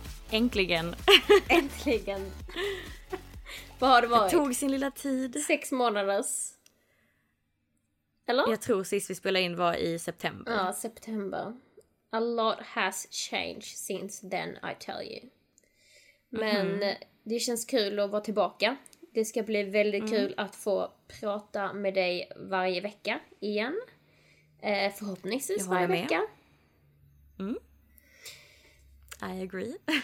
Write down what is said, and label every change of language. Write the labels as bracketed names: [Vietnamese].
[Swedish] Äntligen. Äntligen. Vad har det varit? Det tog sin lilla tid. 6 månaders. Eller? Jag tror sist vi spelade in var i september. Ja, september. [English] A lot has changed since then, I tell you. [Swedish] Men det känns kul att vara tillbaka. Det ska bli väldigt kul att få prata med dig varje vecka igen. Förhoppningsvis varje med. Vecka. [English] I agree.